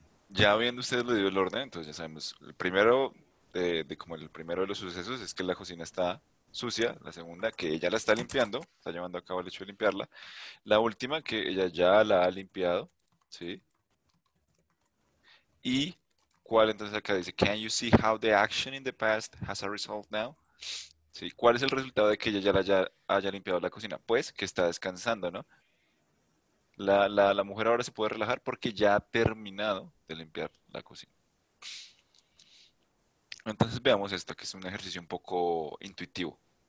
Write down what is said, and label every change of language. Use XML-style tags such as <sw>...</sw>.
<es>Ya habiendo ustedes le dio el orden, entonces ya sabemos, el primero de como el primero de los sucesos es que la cocina está sucia, la segunda que ella la está limpiando, está llevando a cabo el hecho de limpiarla, la última que ella ya la ha limpiado, ¿sí? Y ¿cuál entonces acá dice?</es> <en>Can you see how the action in the past has a result now?</en> <es>¿Sí? ¿Cuál es el resultado de que ella ya haya limpiado la cocina? Pues que está descansando, ¿no? La mujer ahora se puede relajar porque ya ha terminado de limpiar la cocina. Entonces veamos esto, que es un ejercicio un poco intuitivo.</es>